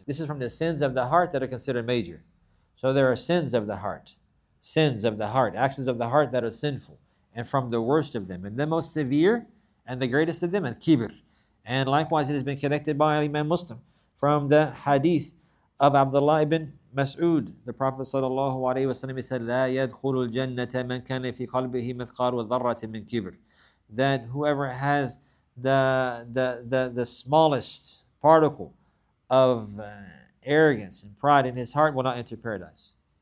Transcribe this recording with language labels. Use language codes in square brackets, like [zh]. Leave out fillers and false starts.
[en] This is from the sins of the heart that are considered major. So there are sins of the heart. Sins of the heart. Actions of the heart that are sinful. And from the worst of them. And the most severe and the greatest of them is kibr. And likewise, it has been connected by Imam Muslim from the hadith of Abdullah ibn Mas'ud. The Prophet sallallahu alayhi wa sallam said, [ar] لَا يَدْخُلُ الْجَنَّةَ مَنْ كَانَ فِي قَلْبِهِ مِثْقَالُ وَذَرَّةٍ مِنْ كِبْرٍ. [en] That whoever has the smallest particle of arrogance and pride in his heart will not enter paradise.